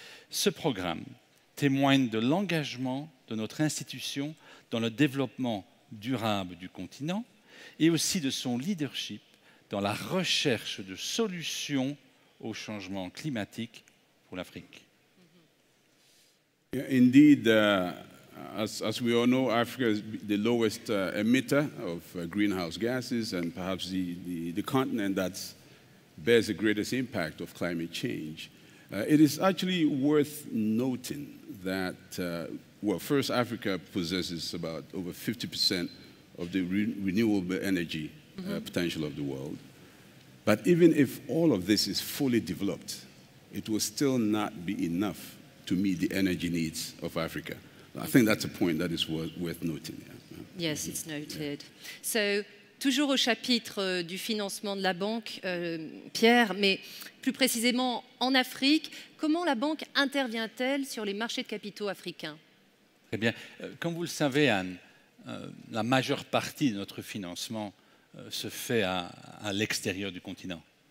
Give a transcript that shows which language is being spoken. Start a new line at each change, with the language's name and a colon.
French: Ce programme témoigne de l'engagement de notre institution dans le développement durable du continent et aussi de son leadership dans la recherche de solutions au changement climatique pour l'Afrique.
English: Indeed, as we all know, Africa is the lowest emitter of greenhouse gases and perhaps the continent that's bears the greatest impact of climate change. It is actually worth noting that, first, Africa possesses about over 50% of the renewable energy potential of the world. But even if all of this is fully developed, it will still not be enough to meet the energy needs of Africa. I think that's a point that is worth noting. Yeah. Yes, it's noted. Yeah.
French: So, toujours au chapitre du financement de la banque, Pierre, mais plus précisément en Afrique, comment la banque intervient-elle sur les marchés de capitaux africains? Eh bien, comme vous le savez, Anne, la majeure partie de notre financement se fait à l'extérieur du continent.